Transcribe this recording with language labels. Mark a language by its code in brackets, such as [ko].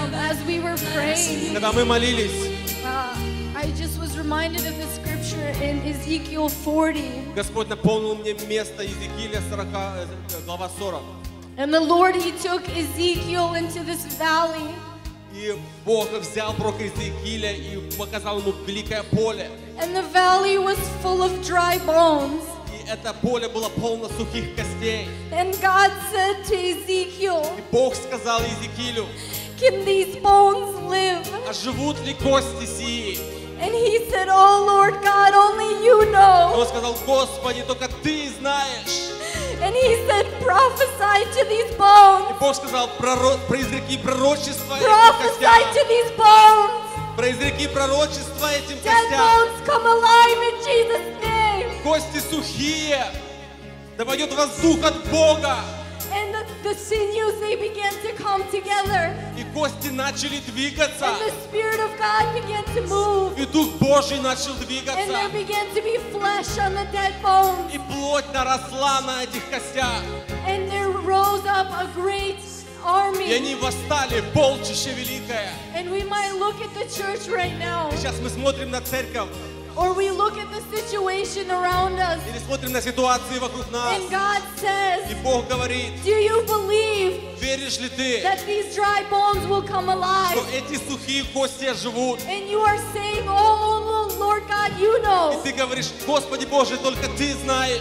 [en] as we were praying, I just was reminded of the scripture in Ezekiel 40. [ru] Господь наполнил мне место Иезекииля 40, глава 40. [en] And the Lord, He took Ezekiel into this valley. [ru] И Бог взял пророка Иезекииля и показал ему великое поле. [en] And the valley was full of dry bones. [ru] И это поле было полно сухих костей. [en] And God said to Ezekiel. [ru] И Бог сказал Иезекиилю. [en] Can these bones live? [ru] А живут ли кости сии? [en] And he said, Oh Lord God, only you know. [ru] Он сказал, Господи, только ты знаешь. [en] And he said, prophesy to these bones. [ru] И Бог сказал, произреки пророчество этим костям. [en] Prophesy to these bones. [ru] Произреки пророчество этим костям. [en] Dead bones come alive in Jesus' name. [ru] Кости сухие. Да войдет вас дух от Бога. [en] And the sinews they began to come together. [ru] И кости начали двигаться. [en] And the spirit of God began to move. [ru] И дух Божий начал двигаться. [en] And there began to be flesh on the dead bones. [ru] И плоть наросла на этих костях. [en] And there rose up a great army. [ru] И они восстали, полчище великое. [en] And we might look at the church right now. [ru] И сейчас мы смотрим на церковь. [en] Or we look at the situation around us. [ru] Или смотрим на ситуации вокруг нас. [en] And God says. [ru] И Бог говорит. [en] Do you believe? [ru] Веришь ли ты? [en] That these dry bones will come alive. [ru] Что эти сухие кости оживут. [en] And you are saying, Oh Lord God, you know. [ru] И ты говоришь, Господи Боже, только ты знаешь.